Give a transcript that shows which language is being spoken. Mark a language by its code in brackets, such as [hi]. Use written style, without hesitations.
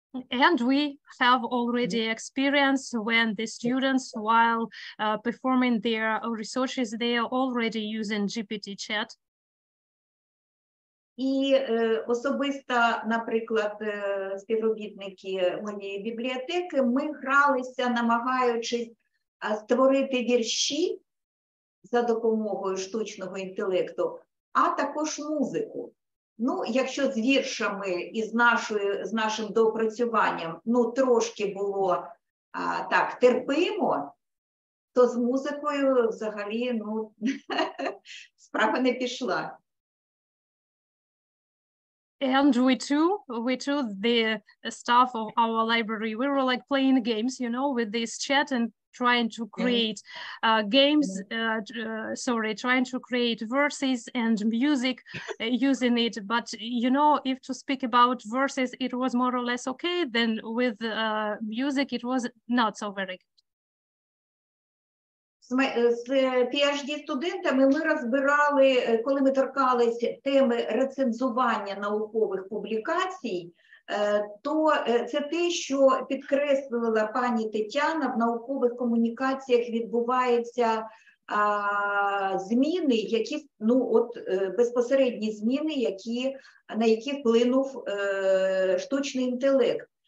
[en] And we have already experience when the students, while performing their researches, they are already using GPT-chat. [uk] І особисто, наприклад, співробітники моєї бібліотеки, ми гралися, намагаючись створити вірші за допомогою штучного інтелекту, а також музику. Якщо з віршами і з нашим доопрацюванням трошки було так терпимо, то з музикою взагалі справа не пішла. [en] And we too, the staff of our library, we were like playing games, with this chat and trying to create trying to create verses and music using it. But, if to speak about verses, it was more or less okay, then with music, it was not so very good. [uk] З PhD-студентами ми розбирали, коли ми торкалися теми рецензування наукових публікацій, то це те, що підкреслила пані Тетяна, в наукових комунікаціях відбуваються зміни, які, безпосередні зміни, які, на які вплинув штучний інтелект.